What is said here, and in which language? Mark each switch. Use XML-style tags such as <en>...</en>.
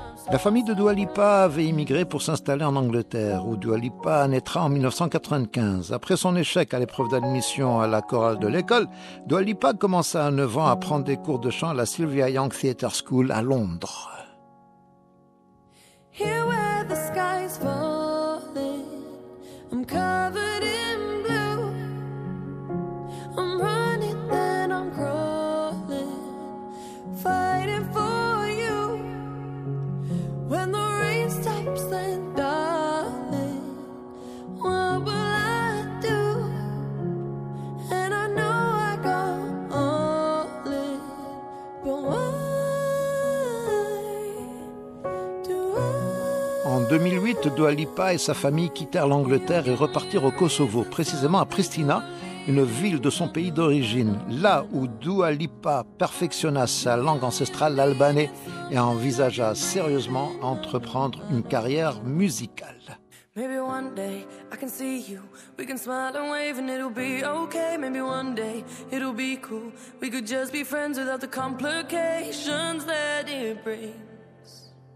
<fr>La famille de Dua Lipa avait immigré pour s'installer en Angleterre, où Dua Lipa naîtra en 1995. Après son échec à l'épreuve d'admission à la chorale de l'école, Dua Lipa commença à 9 ans à prendre des cours de chant à la Sylvia Young Theatre School à Londres.</fr> <en>Here where the sky's falling, I'm covered in blue. I'm running, then I'm crawling, fighting for you. When the rain stops, then darling, what will I do? And I know I got all it, but why do I?</en> <fr>En 2008, Dua Lipa et sa famille quittèrent l'Angleterre et repartirent au Kosovo, précisément à Pristina, une ville de son pays d'origine, là où Dua Lipa perfectionna sa langue ancestrale, l'albanais, et envisagea sérieusement entreprendre une carrière musicale.</fr> <en>Maybe one day I can see you. We can smile and wave and it'll be okay. Maybe one day it'll be cool. We could just be friends without the complications that it brings.</en>